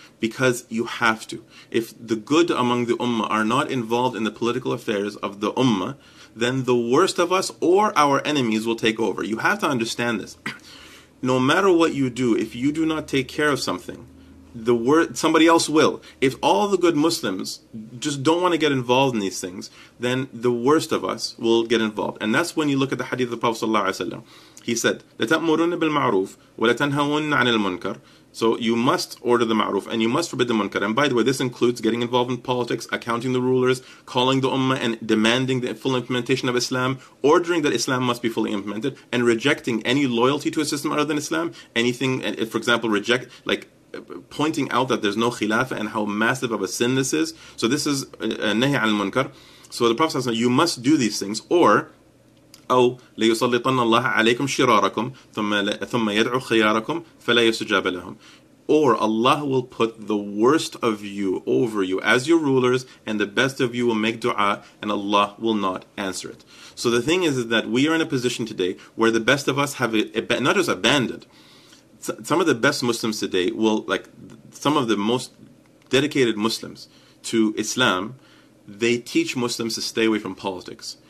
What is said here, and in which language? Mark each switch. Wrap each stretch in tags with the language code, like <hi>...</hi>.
<en>Because you have to. If the good among the Ummah are not involved in the political affairs of the Ummah, then the worst of us or our enemies will take over. You have to understand this. No matter what you do, if you do not take care of something, somebody else will. If all the good Muslims just don't want to get involved in these things, then the worst of us will get involved. And that's when you look at the hadith of the Prophet Sallallahu Alaihi Wasallam. He said,</en> <ar>لَتَأْمُرُنَّ بِالْمَعْرُوفِ وَلَتَنْهَوُنَّ عَنِ الْمُنْكَرِ.</ar> <en>So you must order the ma'ruf and you must forbid the munkar. And by the way, this includes getting involved in politics, accounting the rulers, calling the ummah and demanding the full implementation of Islam, ordering that Islam must be fully implemented, and rejecting any loyalty to a system other than Islam. Anything, for example, reject, like pointing out that there's no khilafah and how massive of a sin this is. So this is nahi al-munkar. So the Prophet says, you must do these things, or...</en> <ar>أو ليسلطن الله عليكم شراركم ثم يدعو خياركم فلا يستجاب لهم.</ar> <en>Or Allah will put the worst of you over you as your rulers, and the best of you will make dua, and Allah will not answer it. So the thing is that we are in a position today where the best of us have not just abandoned. Some of the best Muslims today will, like some of the most dedicated Muslims to Islam, they teach Muslims to stay away from politics.</en>